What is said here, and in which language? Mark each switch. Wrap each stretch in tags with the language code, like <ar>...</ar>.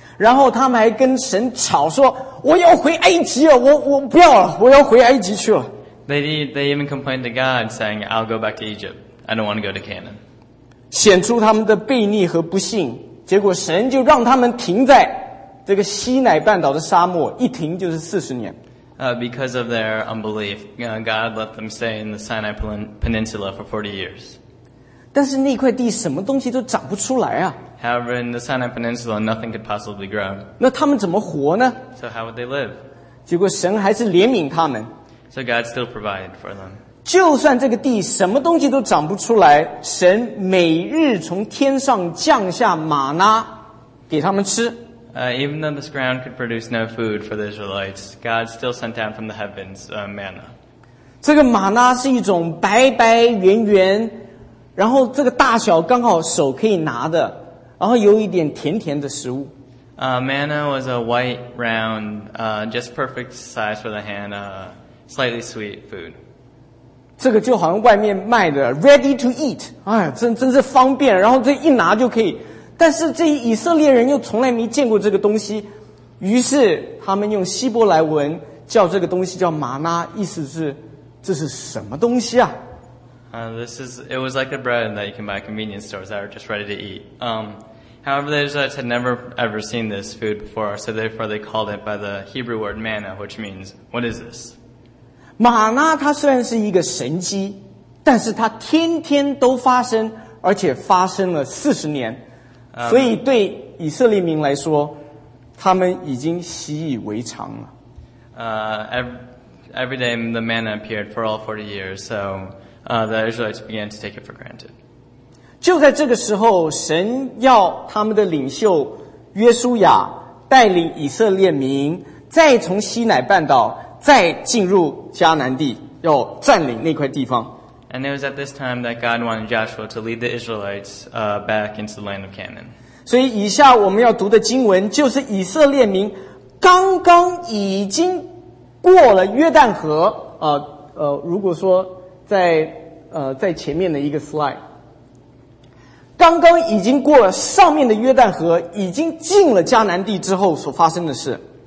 <zh>然后他们还跟神吵说：“我要回埃及啊！我不要了，我要回埃及去了。”</zh> <en>They even complained to God, saying, "I'll go back to Egypt. I don't want to go to Canaan."</en> <zh>显出他们的悖逆和不信，结果神就让他们停在。这个西乃半岛的沙漠一停就是40年。</zh> <en>Because of their unbelief, God let them stay in the Sinai Peninsula for 40 years.</en> <zh>但是那块地什么东西都长不出来啊。</zh> <en>However, in the Sinai Peninsula, nothing could possibly grow.</en> <zh>那他们怎么活呢？</zh> <en>So how would they live?</en> <zh>结果神还是怜悯他们。</zh> <en>So God still provided for them.</en> <zh>就算这个地什么东西都长不出来，神每日从天上降下玛拿给他们吃。</zh> <en>Even though this ground could produce no food for the Israelites, God still sent down from the heavens, manna.</en> <zh>这个玛拿是一种白白圆圆，然后这个大小刚好手可以拿的，然后有一点甜甜的食物。</zh> <en>Manna was a white, round, just perfect size for the hand, slightly sweet food.</en> <zh>这个就好像外面卖的 , ready to eat, 哎呀，真是方便，然后这一拿就可以。但是这以色列人又从来没见过这个东西，于是他们用希伯来文叫这个东西叫玛拿，意思是这是什么东西啊？</zh> <en>It was like a bread that you can buy at convenience stores that are just ready to eat. However, the Israelites had never ever seen this food before, so therefore they called it by the Hebrew word manna, which means, what is this?</en> <zh>Manna, 它虽然是一个神迹，但是它天天都发生，而且发生了40年。所以对以色列民来说，他们已经习以为常了。</zh> <en>Every day the manna appeared for all 40 years, so the Israelites began to take it for granted.</en> <zh>就在这个时候，神要他们的领袖约书亚带领以色列民再从西乃半岛再进入迦南地，要占领那块地方。</zh> <en>And it was at this time that God wanted Joshua to lead the Israelites back into the land of Canaan.</en> <zh>所以以下我们要读的经文就是以色列民刚刚已经过了约旦河。如果说在前面的一个 slide， 刚刚已经过了上面的约旦河，已经进了迦南地之后所发生的事。</zh>